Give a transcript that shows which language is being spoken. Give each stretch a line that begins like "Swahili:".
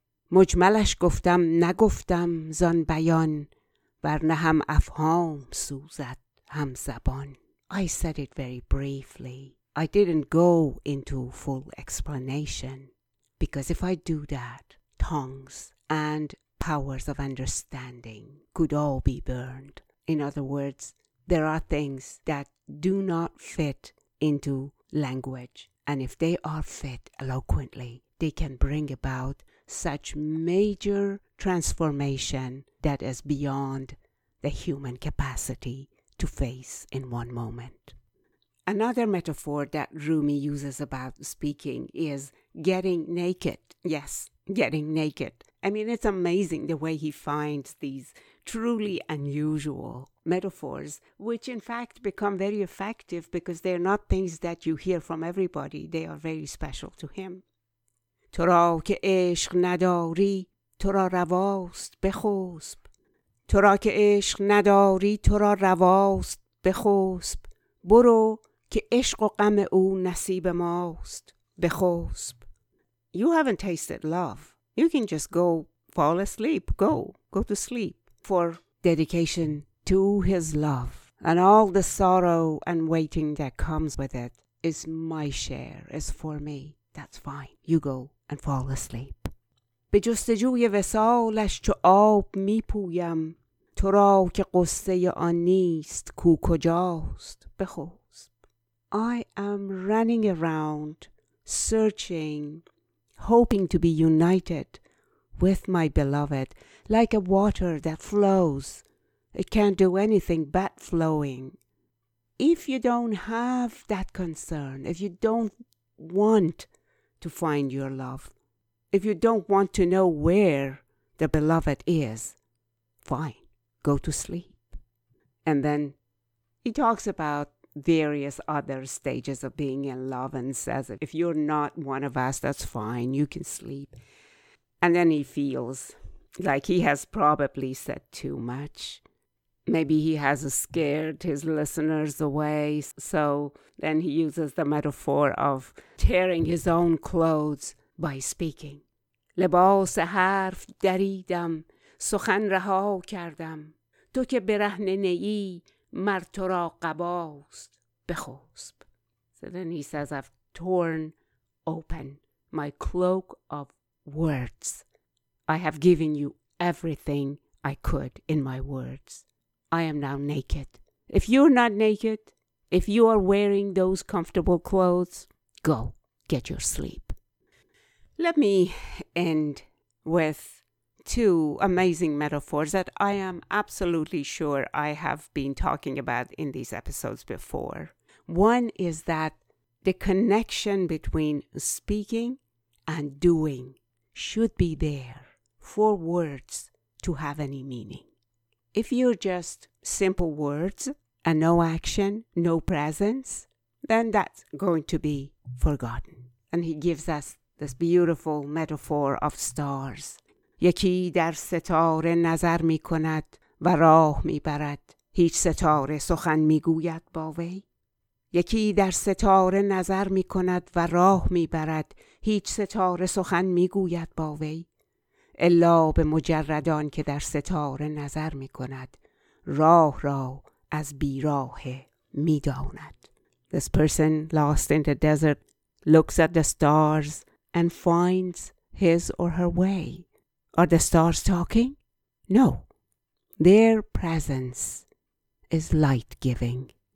Persian: مجملش گفتم نگفتم زان بیان، ورنه هم افهام سوزد هم زبان.
English: I said it very briefly. I didn't go into full explanation, because if I do that, tongues and powers of understanding could all be burned. In other words, there are things that do not fit into language, and if they are fit eloquently, they can bring about such major transformation that is beyond the human capacity to face in one moment. Another metaphor that Rumi uses about speaking is getting naked. Yes, getting naked. I mean, it's amazing the way he finds these truly unusual metaphors, which in fact become very effective because they're not things that you hear from everybody. They are very special to him.
Persian: تو را که عشق نداری تو را رواست بخسب، تو را که عشق نداری تو را رواست بخسب، برو که عشق و غم او نصیب ماست بخسب.
English: You haven't tasted love. You can just go fall asleep. Go to sleep. For dedication to his love and all the sorrow and waiting that comes with it is my share, is for me. That's fine. You go and fall asleep.
Persian: به جستجوی وصالش چو آب می پویم، تو را که قصه آن نیست کو کجاست بخسب.
English: I am running around searching, hoping to be united with my beloved, like a water that flows. It can't do anything but flowing. If you don't have that concern, if you don't want to find your love, if you don't want to know where the beloved is, fine, go to sleep. And then he talks about various other stages of being in love and says, if you're not one of us, that's fine, you can sleep. And then he feels like he has probably said too much. Maybe he has scared his listeners away. So then he uses the metaphor of tearing his own clothes by speaking.
Persian: لباس حرف دریدم سخن رها کردم، تو که برهنه نیی مر تو را قباست بخسب.
English: So then he says, I've torn open my cloak of words. I have given you everything I could in my words. I am now naked. If you're not naked, if you are wearing those comfortable clothes, go get your sleep. Let me end with two amazing metaphors that I am absolutely sure I have been talking about in these episodes before. One is that the connection between speaking and doing should be there for words to have any meaning. If you're just simple words and no action, no presence, then that's going to be forgotten. And he gives us this beautiful metaphor of stars.
Persian: یکی در ستاره نظر می کند و راه می برد. هیچ ستاره سخن می گوید با وی. یکی در ستاره نظر می کند و راه می برد. هیچ ستاره سخن می گوید با وی. الا به مجردان که در ستاره نظر می کند. راه را از بیراه می داند.
English: This person lost in the desert looks at the stars and finds his or her way. Are the stars talking? No. Their presence is light-giving.